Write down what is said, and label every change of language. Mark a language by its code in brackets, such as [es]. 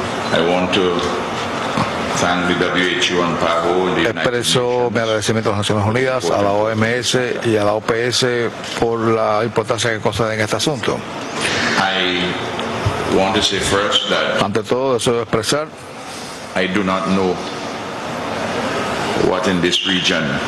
[en] I want to thank the WHO and PAHO, the [es] expreso mi agradecimiento a las Naciones Unidas, a la OMS y a la OPS por la importancia que conceden en este asunto. [en] I want to say first that, [es] ante todo, deseo expresar, [en] I do not know what in this region,